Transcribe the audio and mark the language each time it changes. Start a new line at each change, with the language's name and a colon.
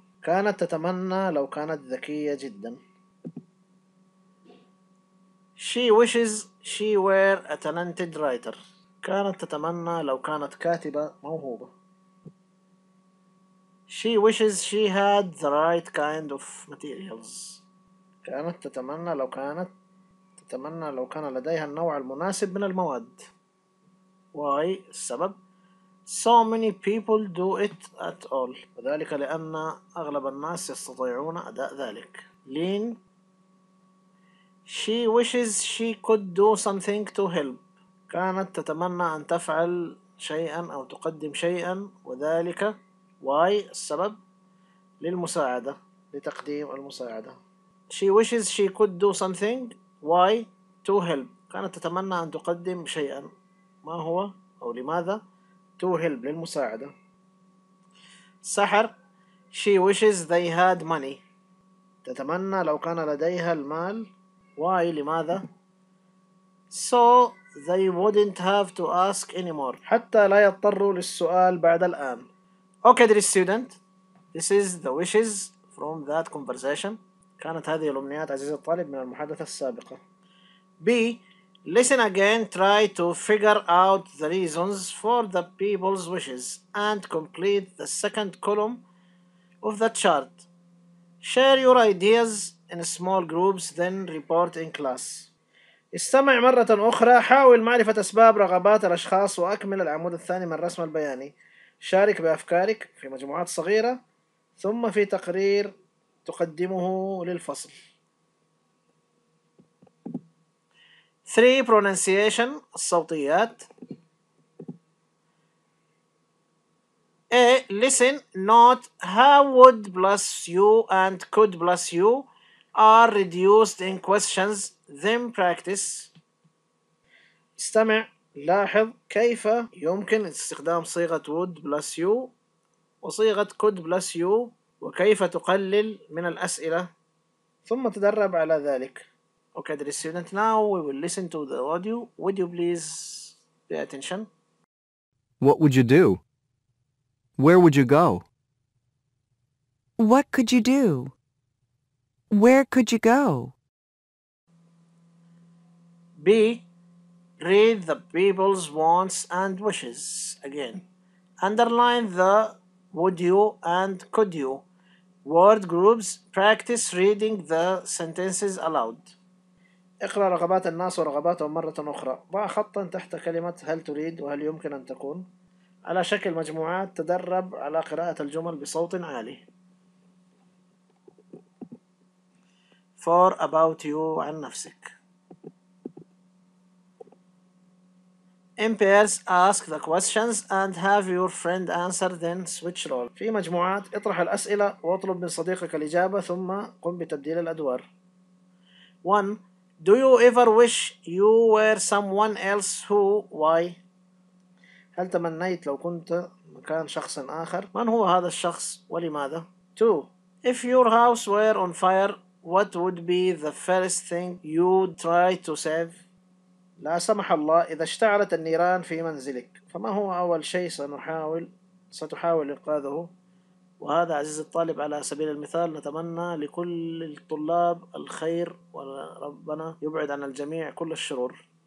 Arabic: كانت تتمنى لو كانت ذكية جدا.
English: She wishes she were a talented writer.
Arabic: كانت تتمنى لو كانت كاتبة موهوبة.
English: She wishes she had the right kind of materials.
Arabic: كانت تتمنى لو كانت تتمنى لو كان لديها النوع المناسب من المواد.
English: Why? السبب. So many people do it at all.
Arabic: وذلك لأن أغلب الناس يستطيعون أداء ذلك. Lean.
English: She wishes she could do something to help.
Arabic: كانت تتمنى أن تفعل شيئا أو تقدم شيئا وذلك why السبب للمساعدة لتقديم المساعدة.
English: She wishes she could do something why to help.
Arabic: كانت تتمنى أن تقدم شيئا ما هو أو لماذا
English: to help
Arabic: للمساعدة.
English: سحر. She wishes they had money.
Arabic: تتمنى لو كان لديها المال.
English: Why, لماذا? So they wouldn't have to ask anymore.
Arabic: حتى لا يضطروا للسؤال بعد الآن.
English: Okay, dear student. This is the wishes from that conversation.
Arabic: كانت هذه الأمنيات عزيز الطالب من المحادثة السابقة. B.
English: Listen again, try to figure out the reasons for the people's wishes and complete the second column of the chart. Share your ideas in small groups, then report in class.
Arabic: استمع مرة أخرى. حاول معرفة أسباب رغبات الأشخاص وأكمل العمود الثاني من الرسم البياني. شارك بأفكارك في مجموعات صغيرة ثم في تقرير تقدمه للفصل.
English: 3. Pronunciation الصوتيات. A. Listen, note how would plus you and could plus you are reduced in questions, then practice.
Arabic: استمع، لاحظ كيف يمكن استخدام صيغة would plus you وصيغة could plus you وكيف تقلل من الأسئلة، ثم تدرب على ذلك.
English: Okay, dear student, now we will listen to the audio. Would you please pay attention? What would you do? Where would you go? What could you do? Where could you go? B. Read the people's wants and wishes again. Underline the would you and could you. Word groups. Practice reading the sentences aloud.
Arabic: اقرأ رغبات الناس ورغباتهم مرة أخرى. ضع خطاً تحت كلمة هل تريد وهل يمكن أن تكون على شكل مجموعات. تدرب على قراءة الجمل بصوت عالي.
English: For about you,
Arabic: عن نفسك.
English: In pairs, ask the questions and have your friend answer, then switch roles.
Arabic: في مجموعات اطرح الأسئلة واطلب من صديقك الإجابة ثم قم بتبديل الأدوار. 1.
English: Do you ever wish you were someone else? Who? Why?
Arabic: هل تمنيت لو كنت مكان شخص آخر؟ من هو هذا الشخص ولماذا؟ 2.
English: If your house were on fire, what would be the first thing you'd try to save?
Arabic: لا سمح الله إذا اشتعلت النيران في منزلك، فما هو أول شيء ستحاول إنقاذه؟ وهذا عزيزي الطالب على سبيل المثال، نتمنى لكل الطلاب الخير وربنا يبعد عن الجميع كل الشرور.